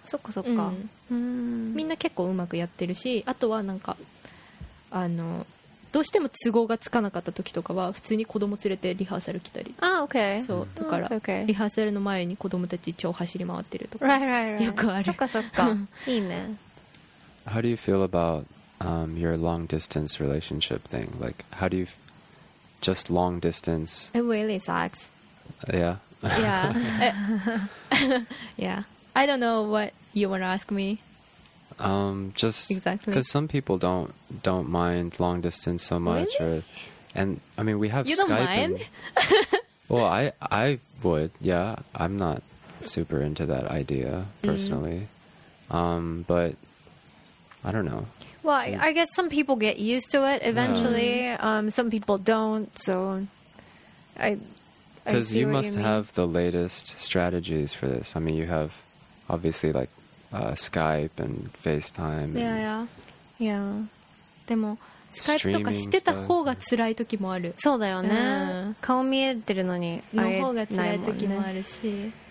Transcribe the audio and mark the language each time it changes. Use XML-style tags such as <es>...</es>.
<ja>そっかそっか、みんな結構うまくやってるし、あとはなんかあのどうしても都合がつかなかった時とかは普通に子供連れてリハーサル来たり、</ja> <en>あ、okay.</en> <ja>そうだから、</ja> <en>oh, okay.</en> <ja>リハーサルの前に子供たち超走り回ってるとか、</ja> <en>right, right, right.</en> <ja>よくある。そっかそっかいいね。</ja> <en>How do you feel aboutyour long distance relationship thing? Like, how do you just long distance? It really sucks. Yeah. Yeah. yeah. I don't know what you want to ask me. Just exactly because some people don't mind long distance so much. Really? Or, and I mean, we have you Skype. You don't mind? And, well, I would. Yeah, I'm not super into that idea personally. But I don't know. Well, I guess some people get used to it eventually. Yeah. Some people don't. So, I because you must have the latest strategies for this. I mean, you have obviously like Skype and FaceTime. Yeah, yeah, yeah.</en> <ja>でもスカイプとかしてた方が辛い時もある。そうだよね。顔見えてるのにの方が辛い時もあるし。</ja>